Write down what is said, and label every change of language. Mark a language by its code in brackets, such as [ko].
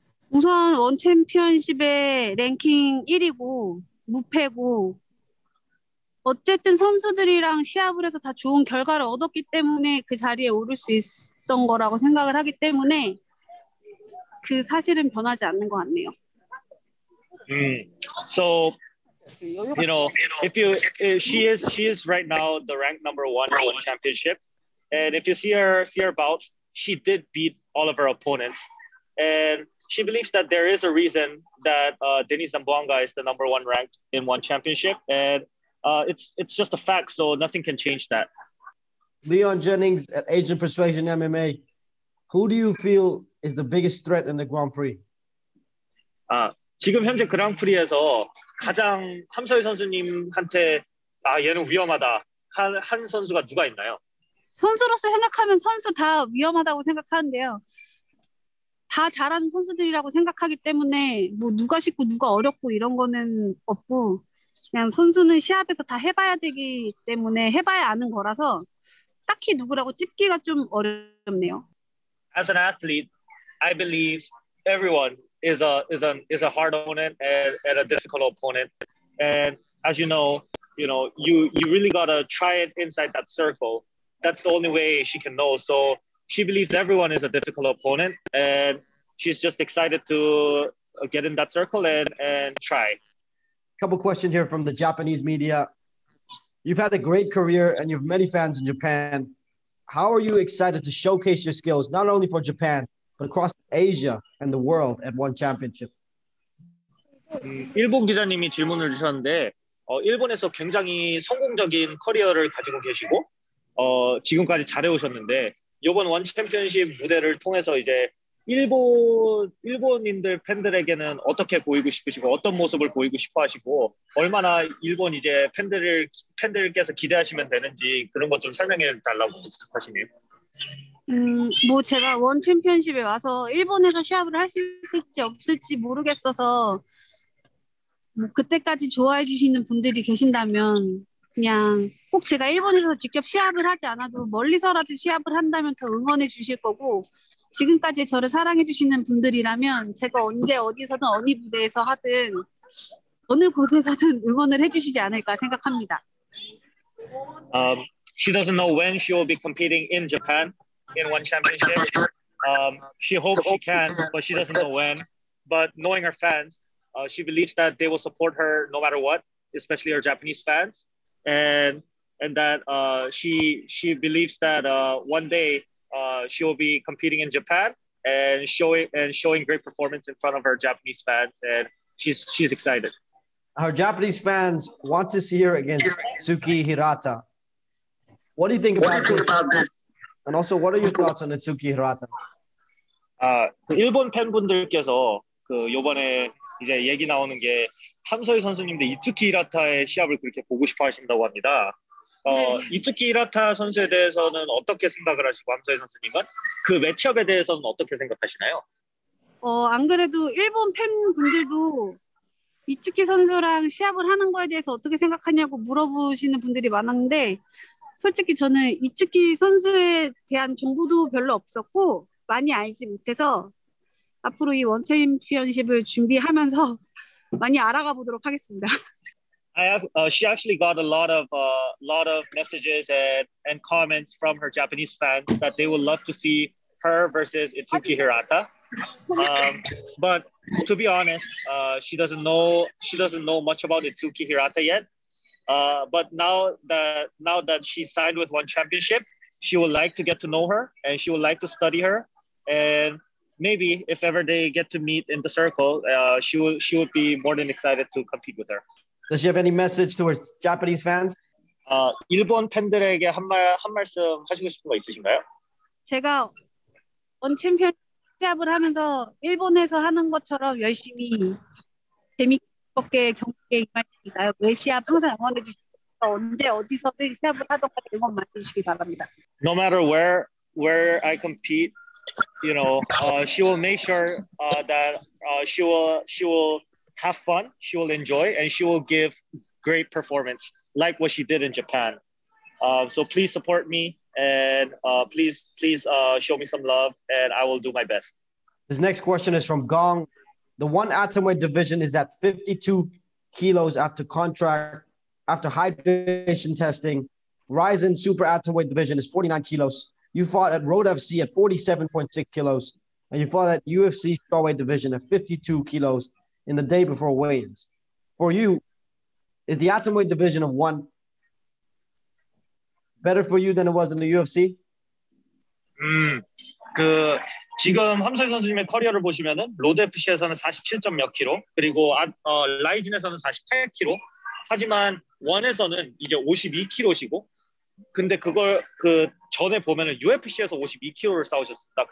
[ko] 우선 ONE 챔피언십의 랭킹 1위고 무패고 어쨌든 선수들이랑 시합을 해서 다 좋은 결과를 얻었기 때문에 그 자리에 오를 수 있었던 거라고 생각을 하기 때문에 그 사실은 변하지 않는 것 같네요. [en] So you know, if she is right now the ranked number one in ONE Championship. And if you see her bouts, she did beat all of her opponents. And she believes that there is a reason that Denise Zambuanga is the number one ranked in ONE Championship. And it's just a fact, so nothing can change that. Leon Jennings at Asian Persuasion MMA. Who do you feel is the biggest threat in the Grand Prix? [ko] 지금 현재 그랑프리에서 가장 함서희 선수님한테 얘는 위험하다 한 선수가 누가 있나요? 선수로서 생각하면 선수 다 위험하다고 생각하는데요. 다 잘하는 선수들이라고 생각하기 때문에 뭐 누가 쉽고 누가 어렵고 이런 거는 없고 그냥 선수는 시합에서 다 해봐야 되기 때문에 해봐야 아는 거라서 딱히 누구라고 찝기가 좀 어렵네요. [en] As an athlete, I believe everyone is a hard opponent and a difficult opponent. And as you know, you really gotta try it inside that circle. That's the only way she can know. So she believes everyone is a difficult opponent, and she's just excited to get in that circle and try. Couple questions here from the Japanese media. You've had a great career and you have many fans in Japan. How are you excited to showcase your skills, not only for Japan, but across Asia and the world at one championship? [ko] 일본 기자님이 질문을 주셨는데, 일본에서 굉장히 성공적인 커리어를 가지고 계시고, 지금까지 잘해오셨는데, 이번 원 챔피언십 무대를 통해서 이제 일본인들 팬들에게는 어떻게 보이고 싶으시고 어떤 모습을 보이고 싶어 하시고 얼마나 일본 이제 팬들께서 기대하시면 되는지 그런 것 좀 설명해 달라고 부탁하시네요. 뭐 제가 원 챔피언십에 와서 일본에서 시합을 할 수 있을지 없을지 모르겠어서 뭐 그때까지 좋아해 주시는 분들이 계신다면 그냥 꼭 제가 일본에서 직접 시합을 하지 않아도 멀리서라도 시합을 한다면 더 응원해 주실 거고 지금까지 저를 사랑해 주시는 분들이라면 제가 언제 어디서든 어느 무대에서 하든 어느 곳에서든 응원을 해 주시지 않을까 생각합니다. [en] She doesn't know when she will be competing in Japan in one championship. She hopes she can, but she doesn't know when. But knowing her fans, she believes that they will support her no matter what, especially her Japanese fans. And that she believes that one day she will be competing in Japan and showing great performance in front of her Japanese fans, and she's excited. Her Japanese fans want to see her against Itsuki Hirata. What do you think about this? And also, what are your thoughts on Itsuki Hirata? [ko] 일본 팬분들께서 그 이번에 이제 얘기 나오는 게 함서희 선수님도 이츠키 히라타의 시합을 그렇게 보고 싶어 하신다고 합니다. 이츠키 히라타 선수에 대해서는 어떻게 생각을 하시고 함서희 선수님은 그 매치업에 대해서는 어떻게 생각하시나요? 안 그래도 일본 팬분들도 이츠키 선수랑 시합을 하는 거에 대해서 어떻게 생각하냐고 물어보시는 분들이 많았는데 솔직히 저는 이츠키 선수에 대한 정보도 별로 없었고 많이 알지 못해서 앞으로 이 원 챔피언십을 준비하면서 많이 알아가 보도록 하겠습니다. [en] She actually got a lot of messages and comments from her Japanese fans that they would love to see her versus Itsuki Hirata. But to be honest, she doesn't know much about Itsuki Hirata yet. But now that she signed with One Championship, she would like to get to know her and she would like to study her and. Maybe if ever they get to meet in the circle, she would be more than excited to compete with her. Does she have any message towards Japanese fans? [ko] 일본 팬들에게 한 말씀 하시고 싶은 거 있으신가요? 제가 원 챔피언 시합을 하면서 일본에서 하는 것처럼 열심히 재미있게 경기에 임하십니다. 매 시합 항상 응원해 주시고 언제 어디서든 시합을 하던가 응원 많이 주시기 바랍니다. [en] No matter where I compete. You know, she will make sure that she will have fun, she will enjoy, and she will give great performance like what she did in Japan. So please support me and please show me some love and I will do my best. This next question is from Gong. The one atomweight division is at 52 kilos after hydration testing. Ryzen super atomweight division is 49 kilos. You fought at Road FC at 47.6 kilos, and you fought at UFC strawweight division at 52 kilos in the day before weigh-ins. For you, is the atomweight division of one better for you than it was in the UFC? [ko] 그 지금 함서희 선수님의 커리어를 보시면은 로드 FC에서는 47. 몇 킬로, 그리고 라이진에서는 48 킬로, 하지만 원에서는 이제 52 킬로시고. 근데 그걸 그 전에 보면은 UFC에서 52kg를 싸우셨습니다.